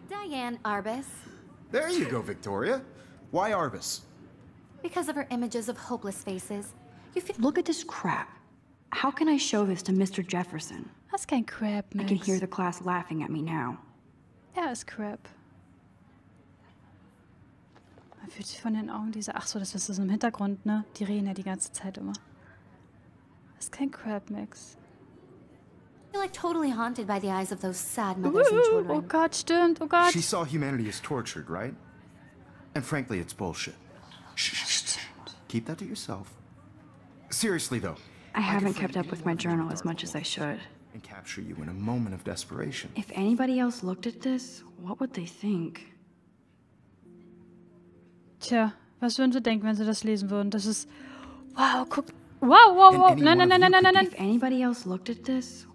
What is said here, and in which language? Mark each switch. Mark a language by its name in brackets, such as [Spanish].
[English] Diane Arbus. There you go, Victoria. Why Arbus? Because of her images of hopeless faces. You feel- Look at this crap. How can I show this to Mr. Jefferson? That's kind of crap, Max. I can hear the class laughing at me now. Yeah, it's crap. [German] Man fühlt sich von den Augen diese. Ach so, das ist im Hintergrund, ne? Die reden ja die ganze Zeit immer. [English] That's kind of crap, Max. I feel like totally haunted by the eyes of those sad mothers and children. Oh God, stimmt. Oh God. She saw humanity as tortured, right? And frankly, it's bullshit. Shh. Keep that to yourself. Seriously, though. I haven't kept up with my journal as much as I should. And capture you in a moment of desperation. If anybody else looked at this, what would they think? [German] Tja, was würden sie denken, wenn sie das lesen würden? Das ist... Wow, guck... Wow, wow, wow. Nein. [English] If anybody else looked at this...